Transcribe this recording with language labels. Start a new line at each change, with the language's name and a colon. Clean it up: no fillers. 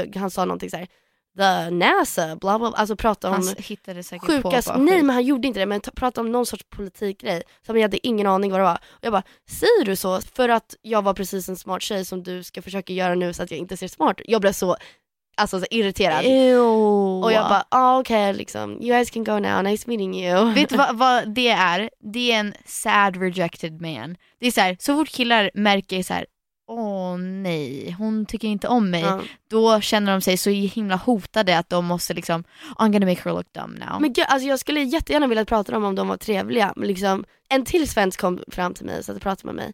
Swedish: Han sa någonting så här, the NASA blah blah, alltså prata om, han hittade säkert sjuka, på. Nej, men han gjorde inte det, men pratade om någon sorts politik grej som jag hade ingen aning vad det var. Och jag bara, säger du så för att jag var precis en smart tjej som du ska försöka göra nu så att jag inte ser smart? Jag blev så, alltså, så irriterad. Ew. Och jag bara,
English: ah, okay, liksom, you guys can go now, nice meeting you.
Swedish: Vet du vad det är? Det är en sad rejected man. Det är så här, så fort killar märker så här, åh nej, hon tycker inte om mig. Mm. Då känner de sig så himla hotade att de måste liksom,
English: I'm gonna make her look dumb now.
Swedish: Men gud, alltså jag skulle jättegärna vilja prata om de var trevliga. Men liksom, en till svensk kom fram till mig så att prata med mig.